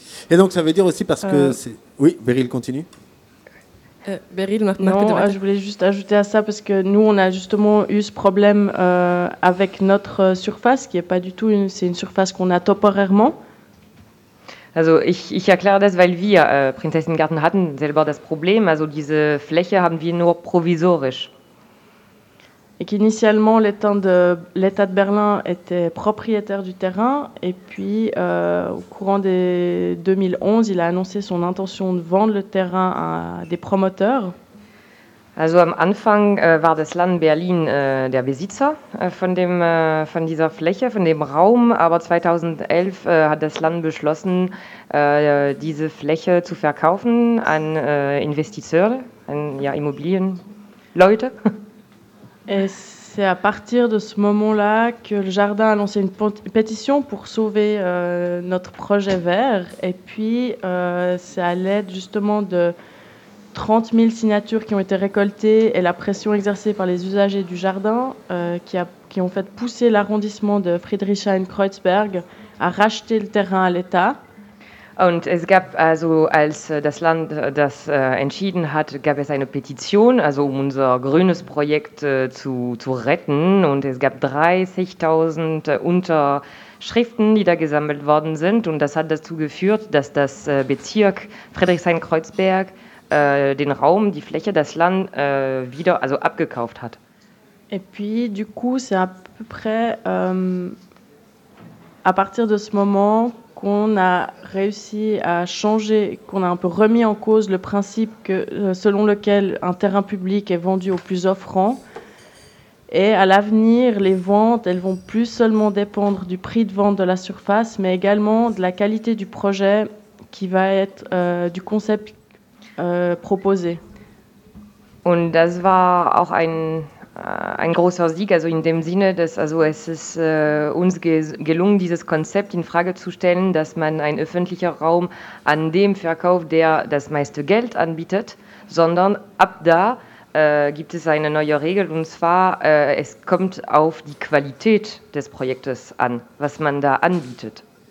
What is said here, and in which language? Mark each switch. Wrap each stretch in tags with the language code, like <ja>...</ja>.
<fr>Et donc ça veut dire aussi parce que c'est... Oui, Beryl, continue. Beryl, je voulais juste ajouter à ça parce que nous, on a justement eu ce problème avec notre surface, qui est pas du tout c'est une surface qu'on a temporairement.</fr> <de>Also ich erkläre das, weil wir Prinzessinnengarten hatten selber das Problem. Also diese Fläche haben wir nur provisorisch.</de> <fr>Et qu'initialement, l'État de Berlin était propriétaire du terrain, et puis au courant de 2011, il a annoncé son intention de vendre le terrain à des promoteurs.</fr> <de>Also am Anfang war das Land Berlin der Besitzer von dieser Fläche, von dem Raum, aber 2011 hat das Land beschlossen, diese Fläche zu verkaufen an Investisseure, an ja, Immobilienleute.</de> <fr>Et c'est à partir de ce moment-là que le jardin a lancé une pétition pour sauver notre projet vert. Et puis, c'est à l'aide justement de 30 000 signatures qui ont été récoltées et la pression exercée par les usagers du jardin qui ont fait pousser l'arrondissement de Friedrichshain-Kreuzberg à racheter le terrain à l'État.</fr> <de>Und es gab also, als das Land das entschieden hat, gab es eine Petition, also um unser grünes Projekt zu retten. Und es gab 30.000 Unterschriften, die da gesammelt worden sind. Und das hat dazu geführt, dass das Bezirk Friedrichshain-Kreuzberg den Raum, die Fläche, das Land wieder also abgekauft hat.</de> <fr>Et puis, du coup, c'est à peu près à partir de ce moment qu'on a réussi à changer, qu'on a un peu remis en cause le principe que, selon lequel un terrain public est vendu au plus offrant. Et à l'avenir, les ventes, elles vont plus seulement dépendre du prix de vente de la surface, mais également de la qualité du projet qui va être du concept proposé.</fr> <de>Und das war auch ein großer Sieg, also in dem Sinne, dass also es ist uns gelungen, dieses Konzept in Frage zu stellen, dass man einen öffentlichen Raum an dem verkauft, der das meiste Geld anbietet, sondern ab da gibt es eine neue Regel, und zwar es kommt auf die Qualität des Projektes an, was man da anbietet.</de>